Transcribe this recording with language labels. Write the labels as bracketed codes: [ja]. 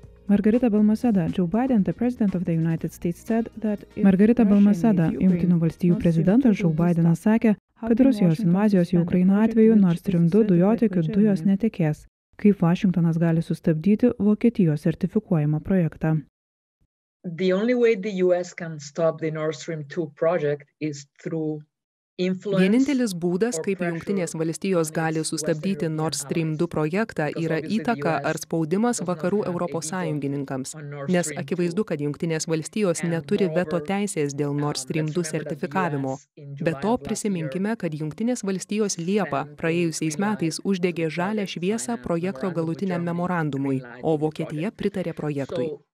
[lt] Margarita Balmaseda, Jungtinių valstijų prezidentas Joe Bidenas sakė, kad Rusijos invazijos į Ukrainą atveju Nord Stream 2 dujotiekių dujos netekės. Kaip Vašingtonas gali sustabdyti Vokietijos sertifikuojamą projektą? [en] The only way the US can stop the Nord Stream 2 project is through [lt] Vienintelis būdas, kaip Jungtinės valstijos gali sustabdyti Nord Stream 2 projektą, yra įtaka ar spaudimas vakarų Europos sąjungininkams. Nes akivaizdu, kad Jungtinės valstijos neturi veto teisės dėl Nord Stream 2 sertifikavimo. Be to, prisiminkime, kad Jungtinės valstijos Liepa praėjusiais metais uždegė žalią šviesą projekto galutiniam memorandumui, o Vokietija pritarė projektui.